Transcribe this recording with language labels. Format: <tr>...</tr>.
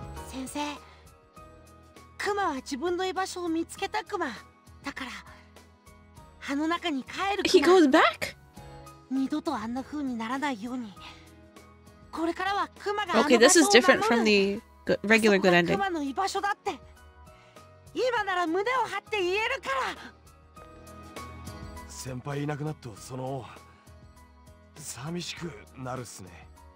<ja>先生、クマは自分の居場所を見つけたクマだから、葉の中に帰る</ja> <en>クマ。 He goes back?</en> <ja>二度とあんな風にならないように、これからはクマが、</ja> <en>okay, this is different from the regular good ending. クマ</en> <ja>の居場所だって今なら胸を張って言えるから。先輩いなくなったその寂しくなるっすね。</ja>